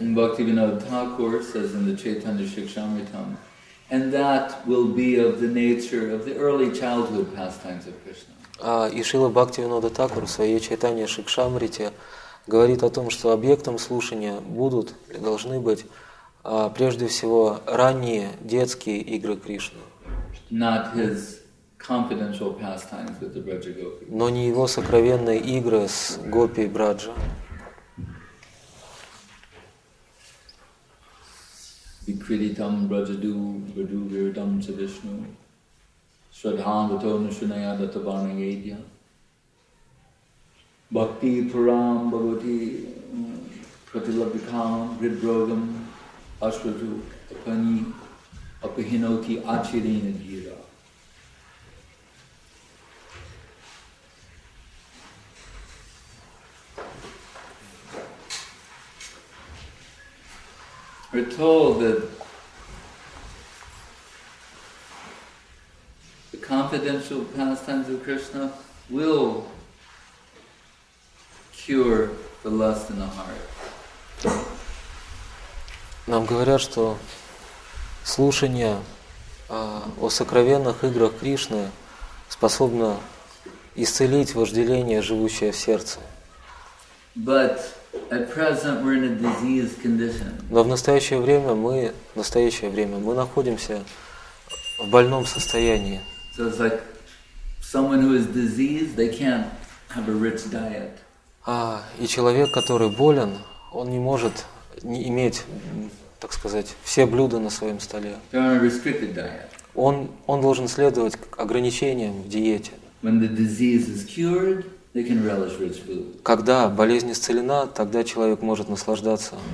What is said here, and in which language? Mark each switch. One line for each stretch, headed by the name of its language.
English: And Bhaktivinoda Thakur says in the Chaitanya Shikshamritam, and that will be of the nature of the early childhood pastimes of Krishna.
Russian: И Шрила Бхактивинода Такур в своей Чайтанье Шикшамрите говорит о том, что объектом слушания будут или должны быть прежде всего ранние детские игры Кришны.
English: Not his confidential pastimes with the Braja Gopi.
Russian: Но не его сокровенные игры с Гопи и Браджа. Викритам Браджаду Браду Вирдам Чавишну Shraddhāvato-nushunayādhata-vāna-yedhya Bhakti-purāṁ-bhavati-pratilabhikāṁ-vidrogam-ashvatu-apani-apahinoti-achirena-dhīrā.
English: We're told that the confidential pastimes of Krishna will cure the lust in the heart.
Russian: Нам говорят, что слушание о сокровенных играх Кришны способно исцелить вожделение, живущее в сердце.
English: But at present we're in a disease condition.
Russian: Но в настоящее время мы, в настоящее время мы находимся в больном состоянии.
English: So it's like someone who is diseased, they can't have a rich diet.
Russian: А и человек, который болен, он не может не иметь, так сказать, все блюда на своем столе.
English: They're on a restricted diet.
Russian: Он должен следовать ограничениям в диете.
English: When the disease is cured, they can relish rich food.
Russian: Когда болезнь исцелена, тогда человек может наслаждаться